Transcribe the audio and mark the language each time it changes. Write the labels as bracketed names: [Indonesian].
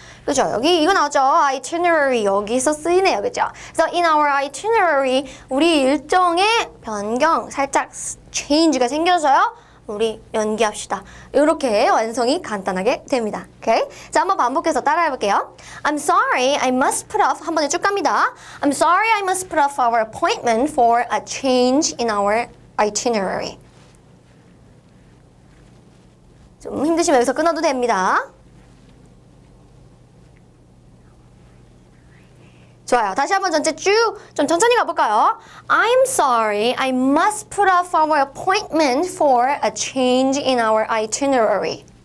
[Korean] 그죠? 여기 이거 나왔죠? itinerary 여기서 쓰이네요. 그죠? [English] So in our itinerary [Korean] 우리 일정에 변경 살짝 change가 생겨서요. 우리 연기합시다. 이렇게 완성이 간단하게 됩니다. 오케이? 자, 한번 반복해서 따라해볼게요. [English] I'm sorry, I must put off. [Korean] 한 번에 쭉 갑니다. [English] I'm sorry, I must put off our appointment for a change in our itinerary. [Korean] 좀 힘드시면 여기서 끊어도 됩니다. 좋아요. 다시 한번 전체 쭉 좀 천천히 가볼까요? [English] I'm sorry. I must put off our appointment for a change in our itinerary.